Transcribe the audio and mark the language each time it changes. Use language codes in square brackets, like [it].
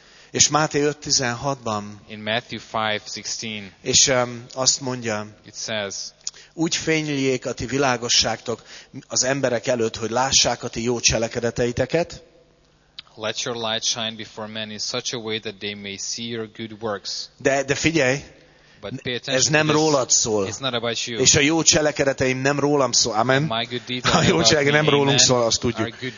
[hu] És Máté 5:16-ban és azt mondja, úgy fényljék a ti világosságtok az emberek előtt, hogy lássák a ti jó cselekedeteiteket. [en] Let your light shine before men in such a way that they may see your good works. [hu] De figyelj! Ez nem rólad szól. És a jó cselekedeteim nem rólam szól. Amen. A jó cselekedeteim nem rólunk szól, azt tudjuk.